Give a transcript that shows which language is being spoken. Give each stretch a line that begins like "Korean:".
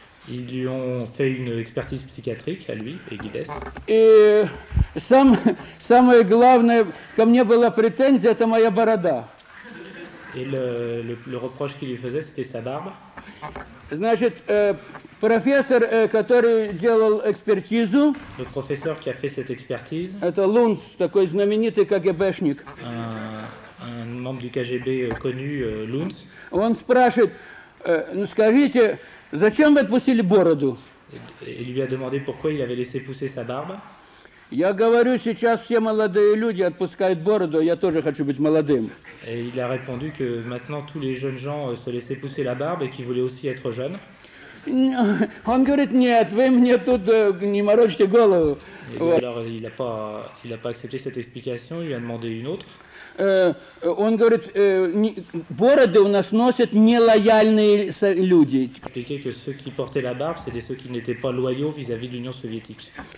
French: Ils lui ont fait une expertise psychiatrique à lui et Guides.
Russian: Самое главное, ко мне была претензия, это моя борода.
French: Et le reproche qu'il lui faisait, c'était sa barbe.
Russian: Значит, профессор, который делал экспертизу.
French: Le professeur qui a fait cette expertise.
Russian: Это Лунц, такой знаменитый КГБшник.
French: Un membre du KGB connu, Лунц.
Russian: Он спрашивает, ну скажите, зачем вы отпустили бороду?
French: Il lui a demandé pourquoi il avait laissé pousser sa barbe.
Russian: Я говорю, сейчас все молодые люди отпускают бороду, я тоже хочу быть молодым.
French: Et il a répondu que maintenant tous les jeunes gens se laissaient pousser la barbe et qu'ils voulaient aussi être jeunes.
Russian: Он говорит, нет, вы мне тут не морочьте голову. Вот.
French: Alors il a pas accepté cette explication, il lui a demandé une autre.
Russian: Он говорит, бороды у нас носят нелояльные люди.
French: Expliquer que ceux qui portaient la barbe, c'était ceux qui n'étaient pas loyaux vis-à-vis de l'Union soviétique.